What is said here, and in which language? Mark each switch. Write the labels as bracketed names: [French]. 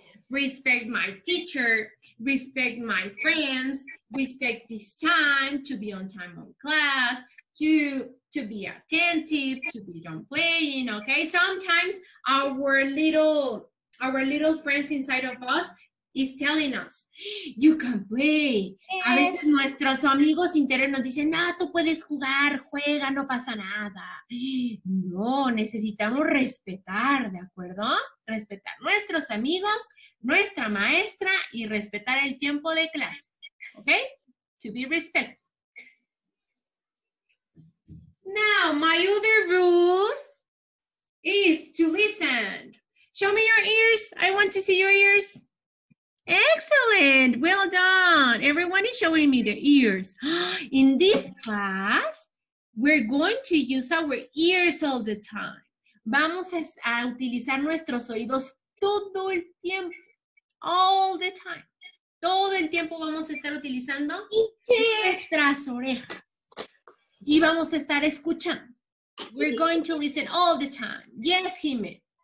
[English] Respect my teacher. Respect my friends, respect this time, to be on time on class, to be attentive, to be done playing, okay? Sometimes our little friends inside of us is telling us, you can play. [Spanish] A veces nuestros amigos internos nos dicen, no, tú puedes jugar, juega, no pasa nada. No, necesitamos respetar, ¿de acuerdo? Respetar nuestros amigos, nuestra maestra, y respetar el tiempo de clase. [English] Okay? To be respectful. Now, my other rule is to listen. Show me your ears. I want to see your ears. Excellent. Well done. Everyone is showing me their ears. In this class, we're going to use our ears all the time. [Spanish] Vamos a utilizar nuestros oídos todo el tiempo. [English] All the time. [Spanish] Todo el tiempo vamos a estar utilizando nuestras orejas. Y vamos a estar escuchando. [English] We're going to listen all the time. Yes, Jime.